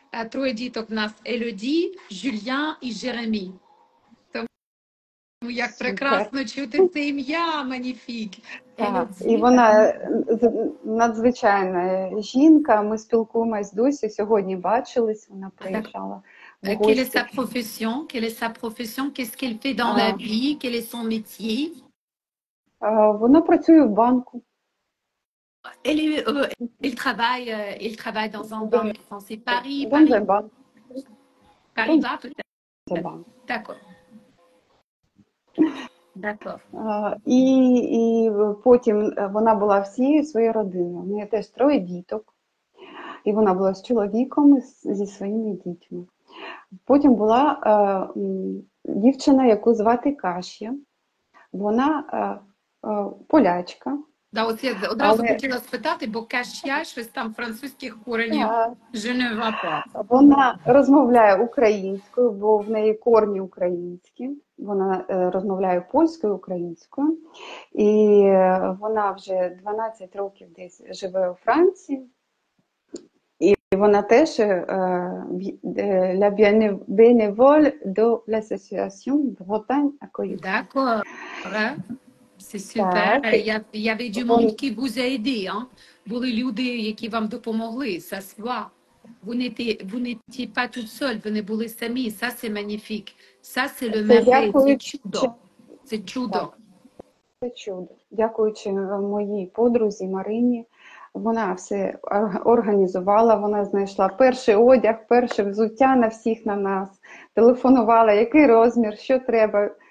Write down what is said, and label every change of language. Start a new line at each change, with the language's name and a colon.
Ukrainian: Троє діток в нас – Елоді, Жюльян і Жеремі. Тому як прекрасно чути це ім'я, маніфік! І вона надзвичайна жінка, ми спілкуємось досі, сьогодні бачились, вона приїжджала.
French: Quelle est sa profession? Quelle est sa profession? Qu'est-ce qu'elle fait dans la vie? Quel est son métier?
Ukrainian: Вона працює в банку.
French: Elle est, elle travaille dans un banque. C'est Paris, dans Paris. Dans un banque. Paris va peut-être. Dans un banque. D'accord.
Ukrainian: І потім вона була всією своєю родиною. У неї теж троє діток. І вона була з чоловіком, зі своїми дітьми. Потім була дівчина, яку звати Каш'я. Вона полячка. Да, от я одразу хотіла спитати, бо Каш'я щось там французьких коренів. Вона розмовляє українською, бо в неї корні українські. Вона розмовляє польською, українською. І вона вже 12 років десь живе у Франції. І вона теж
French: la bénévole de l'association Bretagne accueille. D'accord. C'est super. Il y avait du monde qui vous a aidé, hein.
Ukrainian: Були люди, які вам допомогли,
French: ça se voit. Vous n'étiez pas toute seule,
Ukrainian: вони були самі,
French: ça c'est magnifique. Ça c'est le merveille, c'est chudo.
Ukrainian: Це чудо. Дякуючи моїй подрузі Марині. Вона все організувала, вона знайшла перший одяг, перше взуття на всіх на нас, телефонувала, який розмір, що треба.